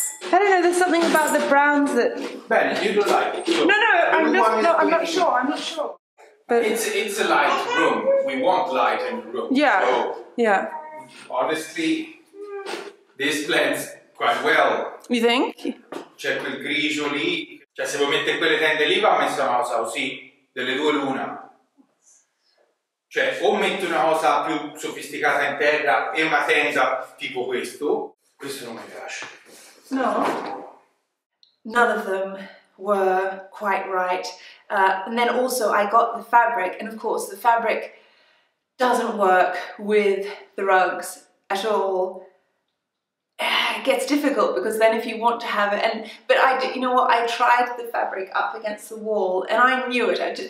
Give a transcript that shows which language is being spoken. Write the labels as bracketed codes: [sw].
[en] I don't know, there's something about the browns that... Ben, you don't like it. So I'm not sure. But it's a light room. We want light in the room. Yeah. So, yeah. Honestly, this blends quite well. You think? [it] C'è quel grigio lì. Cioè, se vuoi mettere quelle tende lì, va messa una cosa così. Delle due l'una, cioè o metti una cosa più sofisticata in terra e una tenda tipo questo non mi piace. [en] No, none of them were quite right. And then also I got the fabric, and of course the fabric doesn't work with the rugs at all. It gets difficult because then if you want to have it, I tried the fabric up against the wall and I knew it.